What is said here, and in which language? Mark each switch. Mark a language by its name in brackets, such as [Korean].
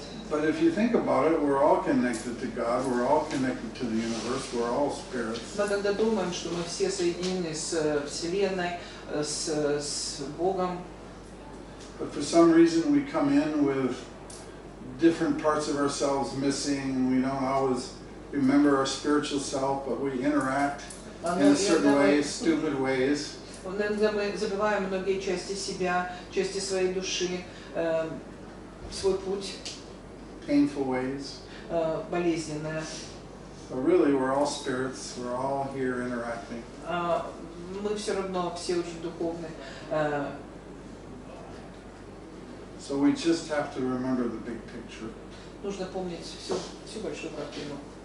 [English] But if you think about it, we're all connected to God, we're all connected to the universe, we're all spirits. [Russian] Мы тогда думаем, что мы все соединены с Вселенной, с Богом. [English] But for some reason we come in with different parts of ourselves missing, we don't always remember our spiritual self, but we interact in a certain way, stupid ways. [Russian] Иногда мы забываем многие части себя, части своей души. Свой путь. [English] Painful ways. [Russian] Болезненная. [English] But really, we're all spirits. We're all here interacting. [Russian] Мы все равно все очень духовные. [English] So we just have to remember the big picture. [Russian] Нужно помнить всю большую картину.